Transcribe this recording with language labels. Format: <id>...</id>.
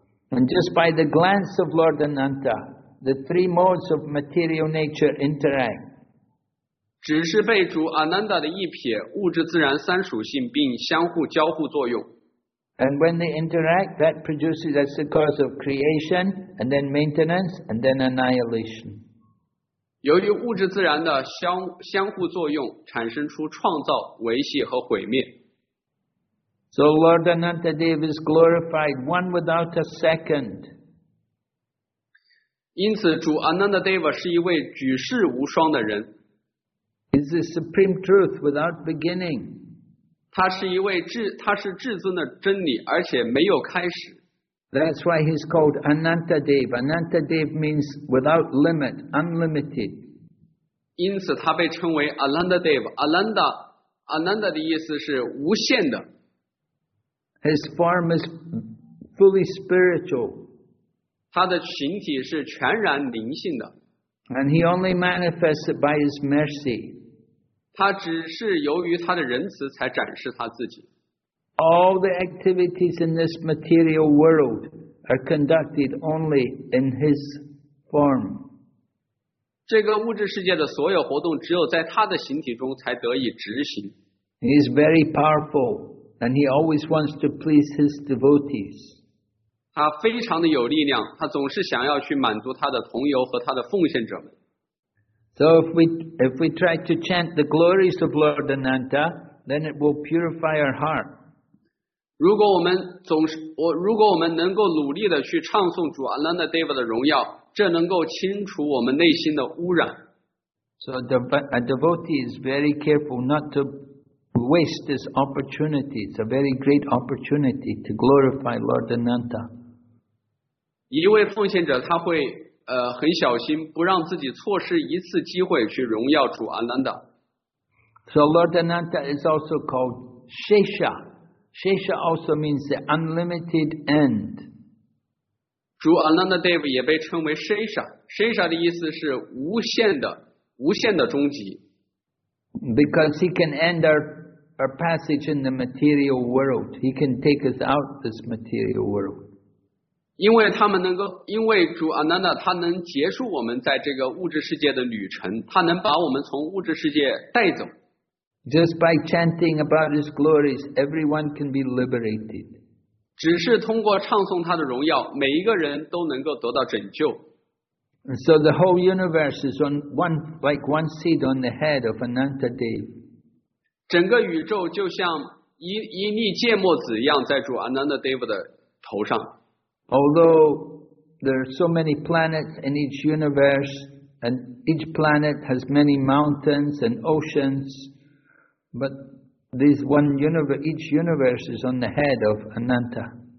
<en>And just by the glance of Lord Ananta, the three modes of material nature interact.</en> <zh>只是被主 Ananda 的一瞥，物质自然三属性并相互交互作用。</zh> <en>And when they interact, that produces as the cause of creation, and then maintenance, and then annihilation.</en> <zh>由于物质自然的相互作用，产生出创造、维系和毁灭。</zh> <en>So Lord Ananta Dev is glorified one without a second.</en> <zh>因此，主 Ananda Deva 是一位举世无双的人。</zh> <en>Is the supreme truth without beginning.</en> <zh>他是一位他是至尊的真理，而且没有开始。</zh> <en>That's why he's called Ananta Dev. Ananta Dev means without limit, unlimited.</en> <zh>因此他被称为 Ananda Dev. Ananda, Ananda 的意思是无限的。</zh> <en>His form is fully spiritual.</en> <zh>他的形体是全然灵性的。</zh> <en>And he only manifests by his mercy.</en> <zh>他只是由于他的仁慈才展示他自己。</zh> <en>All the activities in this material world are conducted only in his form.</en> <zh>这个物质世界的所有活动只有在他的形体中才得以执行。</zh> <en>He is very powerful and he always wants to please his devotees.</en> <zh>他非常的有力量，他总是想要去满足他的同友和他的奉献者们。</zh> <en>So if we try to chant the glories of Lord Ananta, then it will purify our heart.</en> <zh>如果我们能够努力地去唱诵主 Ananda Deva 的荣耀，这能够清除我们内心的污染。</zh> <en>So a devotee is very careful not to waste this opportunity. It's a very great opportunity to glorify Lord Ananta.</en> <zh>一位奉献者他会很小心，不让自己错失一次机会去荣耀主阿难达。</zh> <en>So Lord Ananta is also called Shesha. Shesha also means the unlimited end.</en> <zh>主阿难达 Dev 也被称为 Shesha. Shesha 的意思是无限的、无限的终极。</zh> <en>Because he can end our passage in the material world. He can take us out of this material world.</en> <zh>因为主阿难达他能结束我们在这个物质世界的旅程，他能把我们从物质世界带走。</zh> <en>Just by chanting about his glories, everyone can be liberated.</en> <zh>只是通过唱颂他的荣耀，每一个人都能够得到拯救。</zh> <en>So the whole universe is on one, like one seed on the head of Anantadev.</en> <zh>整个宇宙就像一粒芥末籽一样在主Anantadev的头上。</zh> <en>Although there are so many planets in each universe, and each planet has many mountains and oceans, but this one universe, each universe is on the head of Ananta.</en>